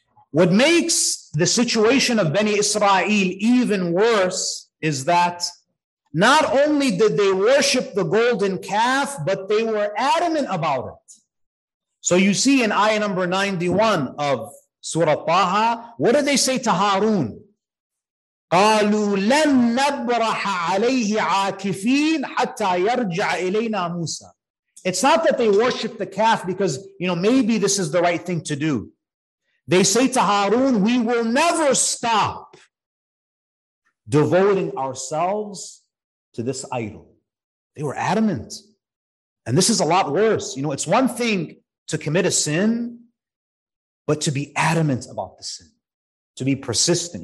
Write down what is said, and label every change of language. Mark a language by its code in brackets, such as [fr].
[en] What makes the situation of Bani Israel even worse is that not only did they worship the golden calf, but they were adamant about it. So you see in ayah number 91 of Surah Taha, what did they say to Harun? [ar] قالوا لن نبرح عليه عاكفين حتى يرجع إلينا موسى. [en] It's not that they worship the calf because, you know, maybe this is the right thing to do. They say to Harun, we will never stop devoting ourselves to this idol. They were adamant. And this is a lot worse. You know, it's one thing to commit a sin, but to be adamant about the sin, to be persistent.